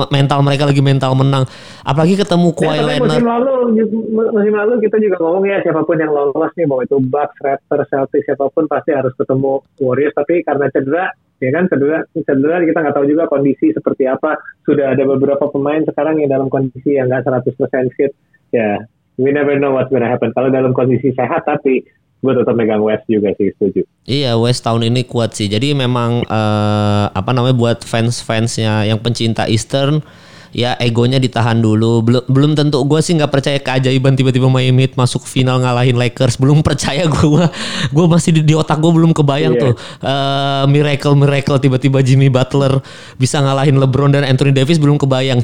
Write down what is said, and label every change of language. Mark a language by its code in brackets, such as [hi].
[id] Mental mereka lagi mental menang. Apalagi ketemu Kawhi Leonard. Ya, musim lalu kita juga ngomong ya, siapapun yang lolos nih, mau itu Bucks, Raptors, Celtics, siapapun pasti harus ketemu Warriors. Tapi karena cedera, ya kan, cedera kita nggak tahu juga kondisi seperti apa. Sudah ada beberapa pemain sekarang yang dalam kondisi yang nggak 100% fit. [en] Ya, we never know what's gonna happen. [id] Kalau dalam kondisi sehat, tapi gue tetap megang West juga sih, setuju. Iya, West tahun ini kuat sih. Jadi memang buat fans-fansnya yang pencinta Eastern, ya egonya ditahan dulu. Belum tentu gue sih nggak percaya keajaiban tiba-tiba Miami Heat masuk final ngalahin Lakers. Belum percaya gue masih di otak gue belum kebayang tuh miracle tiba-tiba Jimmy Butler bisa ngalahin LeBron dan Anthony Davis, belum kebayang.